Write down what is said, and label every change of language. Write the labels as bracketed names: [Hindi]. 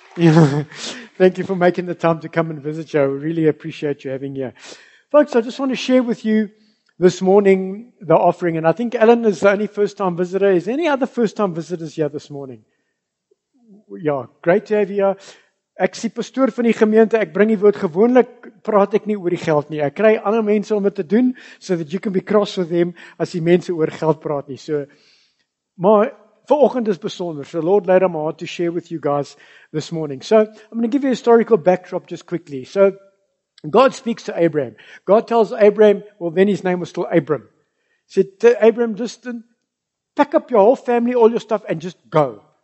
[English] Thank you for making the time to come and visit you. I really appreciate you having here. Folks, I just want to share with you this morning the offering. And I think Alan is the only first-time visitor. Is there any other first-time visitors here this morning? Yeah, great to have you here. [Afrikaans] Ek sien pastoor van die gemeente, ek bring die woord. Gewoonlik praat ek nie oor die geld nie. Ek kry ander mense om dit te doen, [English] so that you can be cross with them [Afrikaans] as die mense oor geld praat nie. So, maar... Vanoggend is besonder. [English] So Lord laid on my heart to share with you guys this morning. So I'm going to give you a historical backdrop just quickly. So God speaks to Abraham. God tells Abraham, well then his name was still Abram. He said to Abraham, just pack up your whole family, all your stuff, and just go.